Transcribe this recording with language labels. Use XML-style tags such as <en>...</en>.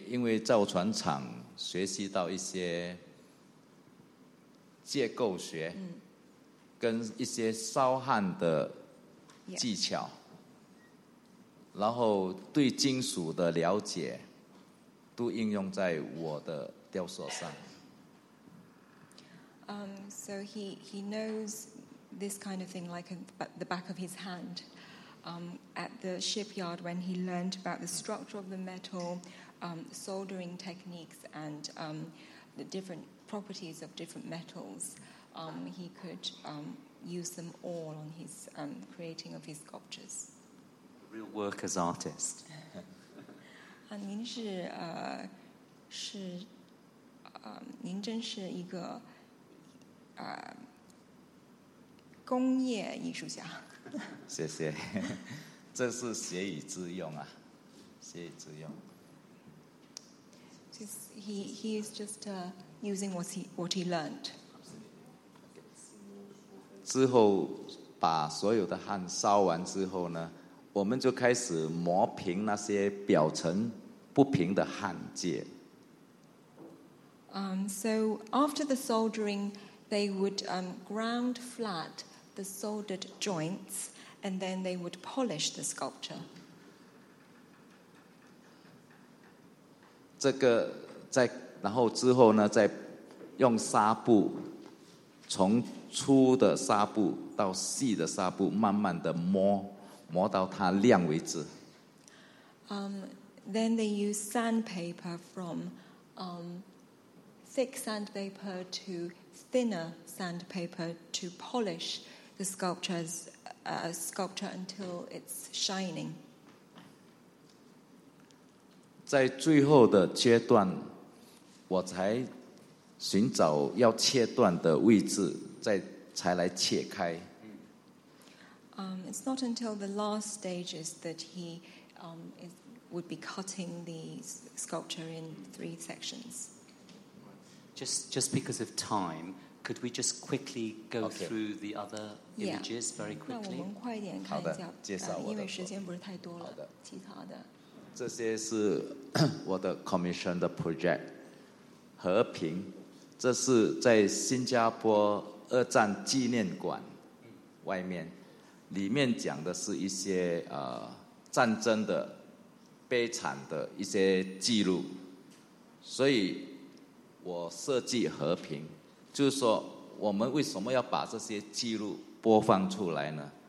<zh>因为造船厂学习到一些结构学，跟一些烧焊的技巧，然后对金属的了解，都应用在我的雕塑上。</zh> <en>So he knows this kind of thing like the back of his hand. At the shipyard, when he learned about the structure of the metal, soldering techniques, and the different properties of different metals, he could use them all on his creating of his sculptures. Real worker's artist.</en> <zh>啊，您是是您真是一个工业艺术家。谢谢，这是学以致用啊，学以致用。</zh> <en>Just, he is just using what he learned.</en> <zh>之后把所有的焊烧完之后呢，我们就开始磨平那些表层不平的焊接。</zh> <en>So after the soldering, they would ground flat the soldered joints, and then they would polish the sculpture.</en> <zh>这个在然后之后呢，再用纱布，从粗的纱布到细的纱布，慢慢的磨，磨到它亮为止。</zh> <en>Then they use sandpaper from thick sandpaper to thinner sandpaper to polish the sculpture's sculpture until it's shining.</en> <zh>在最后的阶段，我才寻找要切断的位置，再才来切开。</zh> <en>It's not until the last stages that he would be cutting the sculpture in three sections. Just because of time, could we just quickly go through the other images very quickly?</en> <zh>那我们快一点看一下，介绍我的，因为时间不是太多了。其他的，这些是我的 commission 的 project。和平，这是在新加坡二战纪念馆外面，里面讲的是一些战争的悲惨的一些记录，所以我设计和平，就是说我们为什么要把这些记录播放出来呢？</zh>